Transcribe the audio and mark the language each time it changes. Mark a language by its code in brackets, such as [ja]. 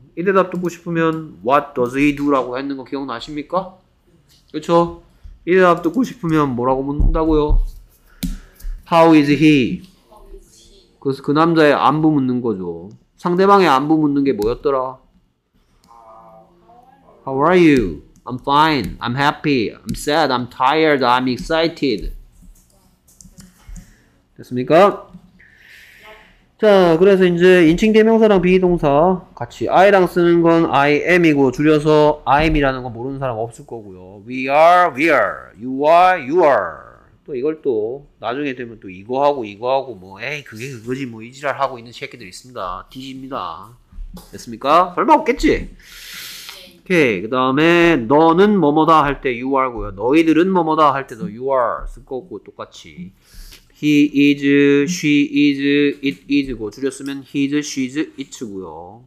[ko] 이 대답 듣고 싶으면 [en] What does he do? [ko] 라고 했는 거 기억나십니까? 그렇죠? 이 대답 듣고 싶으면 뭐라고 묻는다고요? [en] How is he? [ko] 그래서 그 남자의 안부 묻는 거죠. 상대방의 안부 묻는 게 뭐였더라? [en] How are you? I'm fine, I'm happy, I'm sad, I'm tired, I'm excited. [ko] 됐습니까? 자, 그래서 이제 인칭 대명사랑 비동사 같이 I랑 쓰는 건 I am이고 줄여서 I'm이라는 거 모르는 사람 없을 거고요. [en] We are, we are, you are, you are. [ko] 또 이걸 또 나중에 되면 또 이거하고 이거하고 뭐 에이 그게 그거지 뭐 이 지랄하고 있는 새끼들 있습니다. 뒤집니다. 됐습니까? 설마 없겠지? 오케이. 그 다음에 너는 뭐뭐다 할 때 you are고요. 너희들은 뭐뭐다 할 때도 you are 쓸 거고 똑같이 he is, she is, it is고 줄였으면 he's, she's, it's고요.